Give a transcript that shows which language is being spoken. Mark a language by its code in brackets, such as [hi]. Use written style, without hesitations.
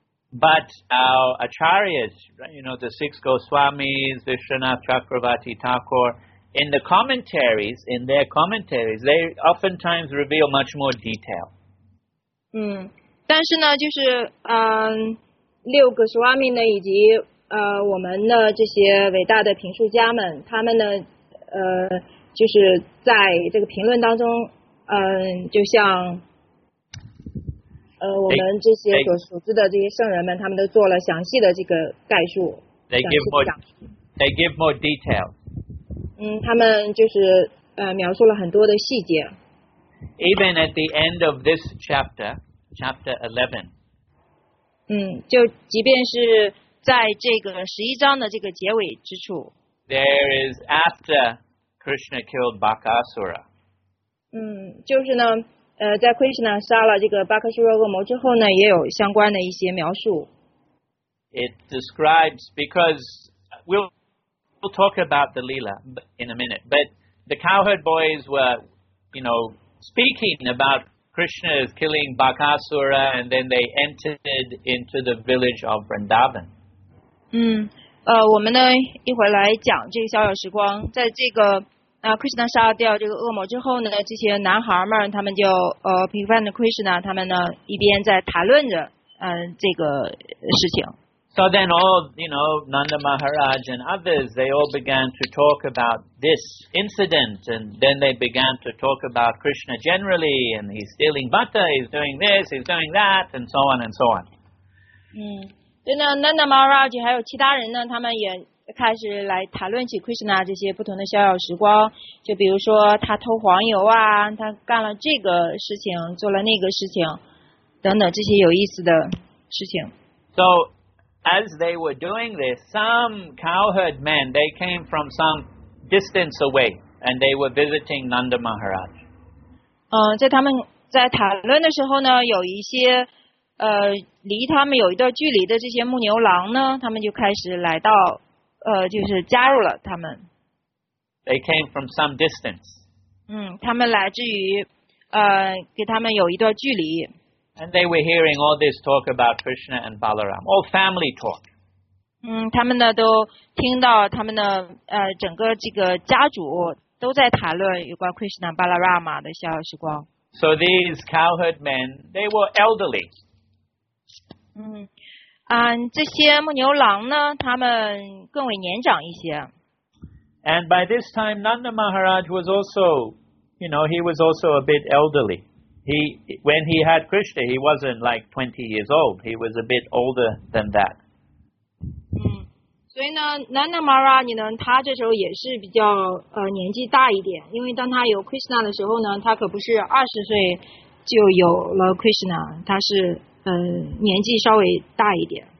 [en] But our acharyas, you know, the six Goswamis, Vishwanath Chakravarti Thakur, in the commentaries, in their commentaries, they oftentimes reveal much more detail. [zh] 但是呢，就是六个苏阿米呢，以及我们的这些伟大的评述家们，他们呢，就是在这个评论当中，就像。我们这些所熟知的这些圣人们，他们都做了详细的这个概述。 [en] They give more detail. [zh] 他们就是描述了很多的细节。 [en] Even at the end of this chapter, chapter 11. [zh] 就即便是在这个十一章的这个结尾之处。 [en] There is after Krishna killed Bakasura. [zh] 就是呢。在 Krishna 杀了这个巴克苏拉恶魔之后呢，也有相关的一些描述。 [en] It describes because we'll talk about the Leela in a minute, but the cowherd boys were, you know, speaking about Krishna killing Bakasura and then they entered into the village of Vrindavan. [zh] 我们呢一会儿来讲这个逍遥时光，在这个。 Krishna 杀掉这个恶魔之后呢，这些男孩们他们就平凡的 Krishna 他们呢一边在谈论着这个事情。 [en] So then all you know Nanda Maharaj and others they all began to talk about this incident and then they began to talk about Krishna generally and he's stealing butter, he's doing this, he's doing that and so on and so on. [zh] 对呢 ，Nanda Maharaj 还有其他人呢，他们也。开始来谈论起 Krishna 这些不同的逍遥时光，就比如说他偷黄油啊，他干了这个事情，做了那个事情，等等这些有意思的事情。 [en] So as they were doing this, some cowherd men they came from some distance away and they were visiting Nanda Maharaj. [zh] 在他们在谈论的时候呢，有一些。离他们有一段距离的这些牧牛郎呢，他们就开始来到。就是加入了他们。 [en] They came from some distance. [zh] 他们来自于给他们有一段距离。 [en] And they were hearing all this talk about Krishna and Balaram, all family talk. [zh] 他们呢都听到他们的整个这个家族都在谈论有关 Krishna and Balaram 的逍遥时光。 [en] So these cowherd men, they were elderly. [zh] 这些牧牛郎呢，他们更为年长一些。 [en] And by this time, Nanda Maharaj was also, you know, he was also a bit elderly. When he had Krishna, he wasn't like 20 years old. He was a bit older than that. [zh] 所以呢, Nanda Maharaj, 他这时候也是比较年纪大一点, 因为当他有Krishna的时候呢, 他可不是20岁就有了Krishna, 他是年纪稍微大一点。